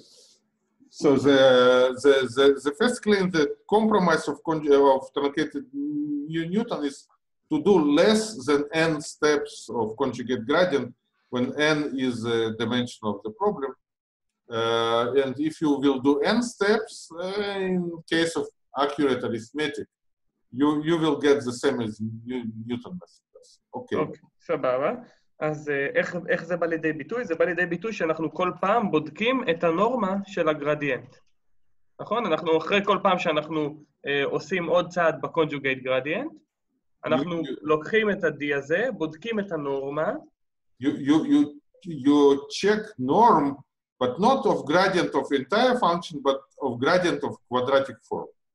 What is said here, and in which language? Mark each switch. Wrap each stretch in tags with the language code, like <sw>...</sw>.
<en>So the first claim that compromise of truncated Newton is to do less than n steps of conjugate gradient when n is the dimension of the problem. And if you will do n steps, in case of accurate arithmetic, you will get the same as Newton method. Okay.</en> <he>סבבה. אז איך זה בא לידי ביטוי? זה בא לידי ביטוי שאנחנו כל פעם בודקים את הנורמה של הגרדיאנט. נכון? אנחנו אחרי כל פעם שאנחנו עושים עוד צעד בקונג'וגייט גרדיאנט, אנחנו לוקחים את ה-D הזה, בודקים את הנורמה.</he> <en>You check norm. But not of gradient of entire function, but of gradient of quadratic form.</en>